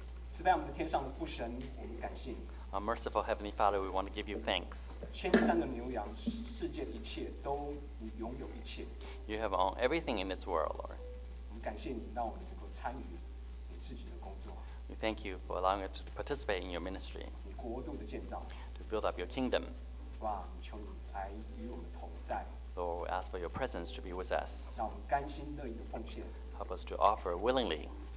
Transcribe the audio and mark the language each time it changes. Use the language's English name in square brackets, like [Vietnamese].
[Chinese] 慈爱我们的天上的父神，我们感谢你。 [English] Our merciful Heavenly Father, we want to give you thanks. [Chinese] 千山的牛羊，世界一切都你拥有一切。 [English] You have owned everything in this world, Lord. [Chinese] 我们感谢你，让我们能够参与你自己的工作。 [English] We thank you for allowing us to participate in your ministry. [Chinese] 你国度的建造。 [English] To build up your kingdom. [Chinese] 主啊，你求你来与我们同在。 [English] Lord, we ask for your presence to be with us. [Chinese] 让我们甘心乐意的奉献。 [English] Help us to offer willingly